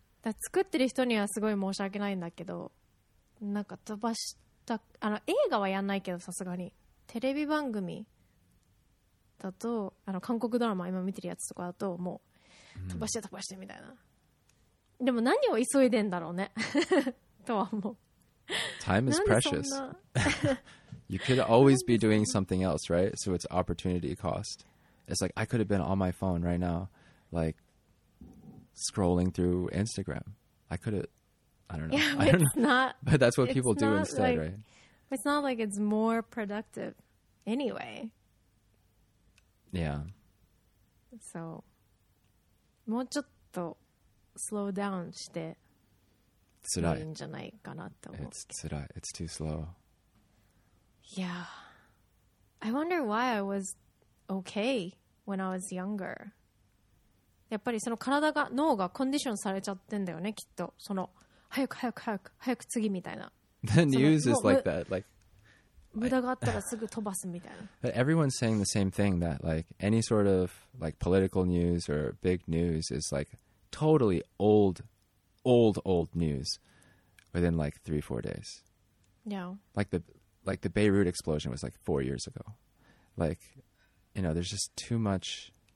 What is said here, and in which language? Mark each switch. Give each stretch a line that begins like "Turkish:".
Japanese: だから作ってる人にはすごい申し訳ないんだけど、なんか飛ばしたあの映画はやんないけど、さすがにテレビ番組だと、あの韓国ドラマ今見てるやつとかだと、もう飛ばして飛ばしてみたいな。でも何を急いでんだろうねとは思う。
English: Time is precious. You could always be doing something else, right? So it's opportunity cost. It's like I could have been on my phone right now, like scrolling through Instagram. I could have, I don't know. Yeah, it's not. But that's what people do instead, like, right? It's not like it's more productive anyway. Yeah. So,
Japanese: もうちょっと
English: slow down
Japanese: して辛いんじゃないかなって思う。
English: It's
Japanese: 辛い。
English: It's too slow. Yeah. I wonder why I was okay when I was younger.
Japanese: やっぱりその体が脳がコンディションされちゃってんだよね、きっと。その早く早く早く早く次みたいな。
English: The news is like that, like.
Japanese: 無駄があったらすぐ飛ばすみたいな。
English: But everyone's saying the same thing that like any sort of like political news or big news is like totally old, old, old news within like 3-4 days. Yeah. Like the Beirut explosion was like 4 years ago. Like, you know, there's just too much.